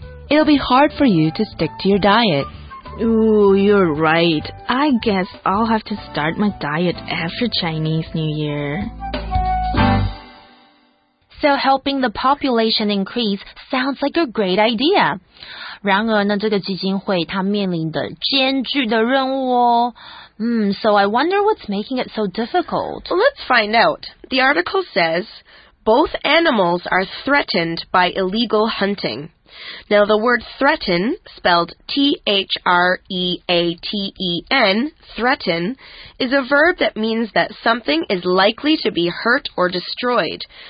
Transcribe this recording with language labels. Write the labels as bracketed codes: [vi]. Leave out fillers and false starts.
[en] It'll be hard for you to stick to your diet. Ooh, you're right. I guess I'll have to start my diet after Chinese New Year. So helping the population increase sounds like a great idea. [zh] 然而呢，这个基金会它面临的艰巨的任务哦。 [en] So I wonder what's making it so difficult. Well, let's find out. The article says, both animals are threatened by illegal hunting. Now, the word threaten, spelled T-H-R-E-A-T-E-N, threaten, is a verb that means that something is likely to be hurt or destroyed.